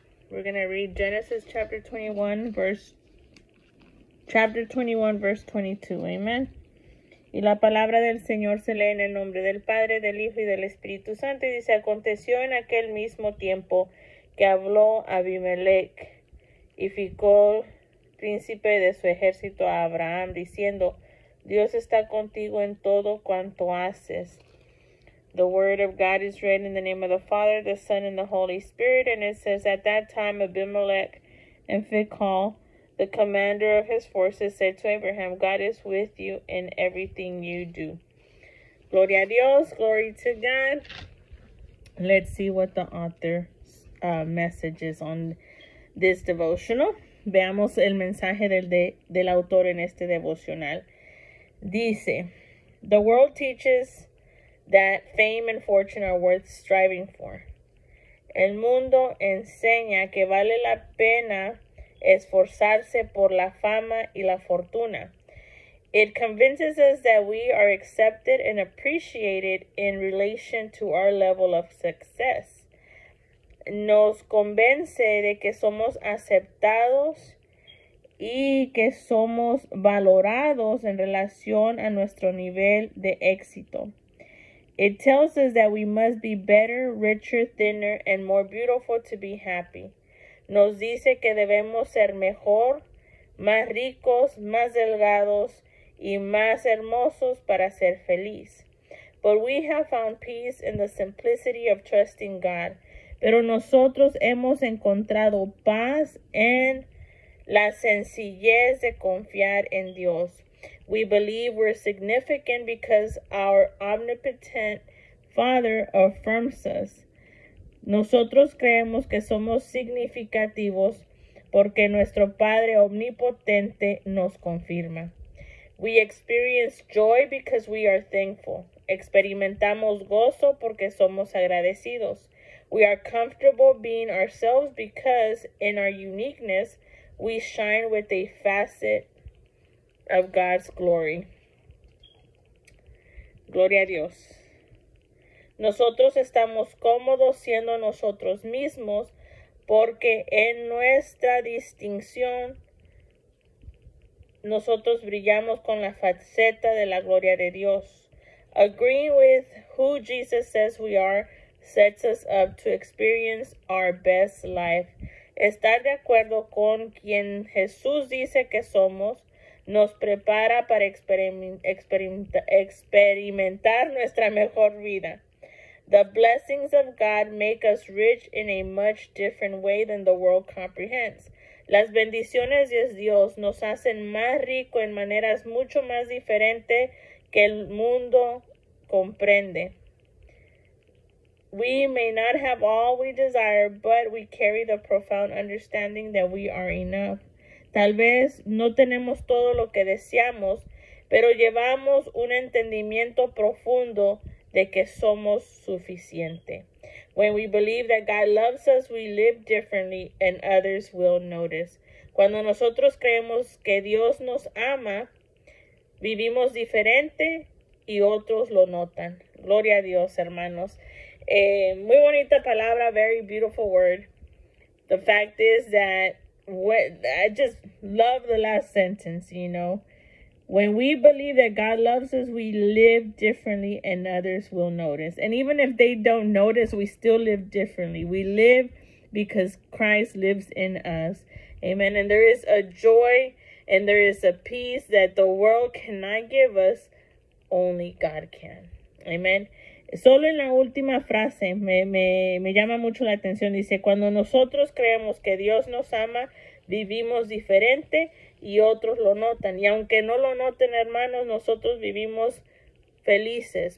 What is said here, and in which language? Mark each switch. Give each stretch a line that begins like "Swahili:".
English: We're going to read Genesis chapter 21, verse Chapter 21, verse 22. Amen.
Spanish: Y la palabra del Señor se lee en el nombre del Padre, del Hijo y del Espíritu Santo. Y dice, aconteció en aquel mismo tiempo que habló Abimelech y ficó príncipe de su ejército a Abraham, diciendo, Dios está contigo en todo cuanto haces.
English: The word of God is read in the name of the Father, the Son, and the Holy Spirit. And it says, at that time Abimelech and Phicol, the commander of his forces, said to Abraham, God is with you in everything you do.
Spanish: Gloria a Dios,
English: glory to God. Let's see what the author's message is on this devotional.
Spanish: Veamos el mensaje del autor en este devocional. Dice,
English: the world teaches that fame and fortune are worth striving for.
Spanish: El mundo enseña que vale la pena esforzarse por la fama y la fortuna.
English: It convinces us that we are accepted and appreciated in relation to our level of success.
Spanish: Nos convence de que somos aceptados y que somos valorados en relación a nuestro nivel de éxito.
English: It tells us that we must be better, richer, thinner, and more beautiful to be happy.
Spanish: Nos dice que debemos ser mejor, más ricos, más delgados, y más hermosos para ser feliz.
English: But we have found peace in the simplicity of trusting God.
Spanish: Pero nosotros hemos encontrado paz en la sencillez de confiar en Dios.
English: We believe we're significant because our omnipotent Father affirms us.
Spanish: Nosotros creemos que somos significativos porque nuestro Padre Omnipotente nos confirma.
English: We experience joy because we are thankful.
Spanish: Experimentamos gozo porque somos agradecidos.
English: We are comfortable being ourselves because in our uniqueness, we shine with a facet of God's glory.
Spanish: Gloria a Dios. Nosotros estamos cómodos siendo nosotros mismos porque en nuestra distinción nosotros brillamos con la faceta de la gloria de Dios.
English: Agreeing with who Jesus says we are sets us up to experience our best life.
Spanish: Estar de acuerdo con quien Jesús dice que somos nos prepara para experimentar nuestra mejor vida.
English: The blessings of God make us rich in a much different way than the world comprehends.
Spanish: Las bendiciones de Dios nos hacen más rico en maneras mucho más diferentes que el mundo comprende.
English: We may not have all we desire, but we carry the profound understanding that we are enough.
Spanish: Tal vez no tenemos todo lo que deseamos, pero llevamos un entendimiento profundo de que somos suficiente.
English: When we believe that God loves us, we live differently and others will notice.
Spanish: Cuando nosotros creemos que Dios nos ama, vivimos diferente y otros lo notan. Gloria a Dios, hermanos. Muy bonita palabra,
English: very beautiful word. The fact is that I just love the last sentence, you know. When we believe that God loves us, we live differently and others will notice. And even if they don't notice, we still live differently. We live because Christ lives in us. Amen. And there is a joy and there is a peace that the world cannot give us. Only God can. Amen.
Spanish: Solo en la última frase me llama mucho la atención. Dice, cuando nosotros creemos que Dios nos ama, vivimos diferente y otros lo notan. Y aunque no lo noten, hermanos, nosotros vivimos felices.